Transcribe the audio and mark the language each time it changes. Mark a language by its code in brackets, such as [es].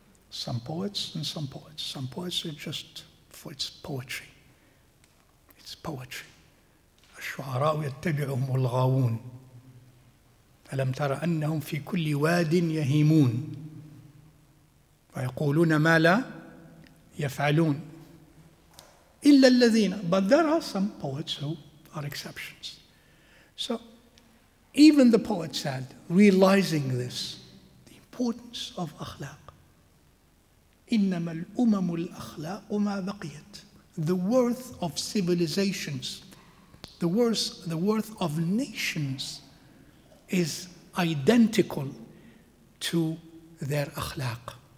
[en] Some poets are just for its poetry. It's poetry. [ar] الشعراء يتبعهم الغاوون ألم تر أنهم في كل واد يهيمون ويقولون ما لا يفعلون إلا الذين. [en] But there are some poets who are exceptions. So even the poet said, realizing this, the importance of akhlaq, [ar] إِنَّمَا الْأُمَمُ الْأَخْلَاقُ مَا بَقِيَتْ. [en] The worth of civilizations, the worth of nations is identical to their akhlaq.